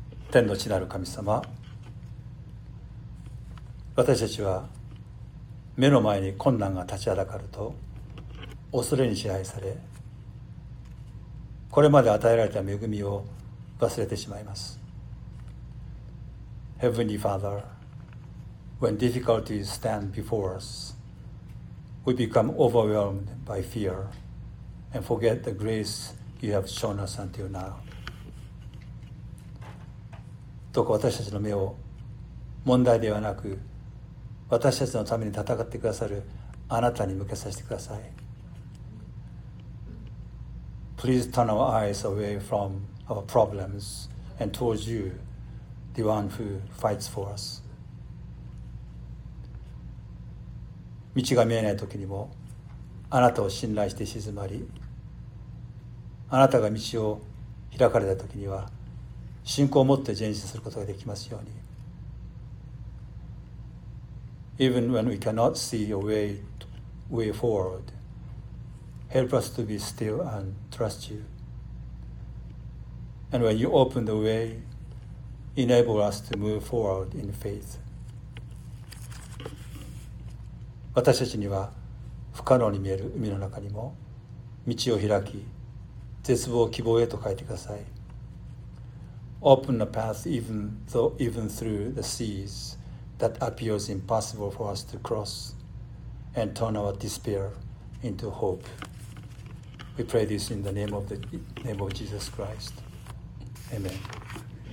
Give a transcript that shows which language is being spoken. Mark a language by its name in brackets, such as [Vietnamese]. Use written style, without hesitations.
[Japanese] 天の地なる神様、私たちは目の前に困難が立ちはだかると恐れに支配され、これまで与えられた恵みを忘れてしまいます。 [English] Heavenly Father, when difficulties stand before us, we become overwhelmed by fear and forget the grace you have shown us until now. [Japanese] どうか私たちの目を問題ではなく、私たちのために戦ってくださるあなたに向けさせてください。 [English] Please turn our eyes away from our problems and towards you. The one who fights for us. [Japanese] 道が見えない時にもあなたを信頼して静まり、あなたが道を開かれた時には信仰を持って前進することができますように。 [English] Even when we cannot see your way forward, help us to be still and trust you. And when you open the wayEnable us to move forward in faith. [Japanese] 私たちには不可能に見える海の中にも道を開き、絶望を希望へと変えてください。 [English] Open the path even through the seas that appears impossible for us to cross, and turn our despair into hope. We pray this in the name of Jesus Christ. Amen.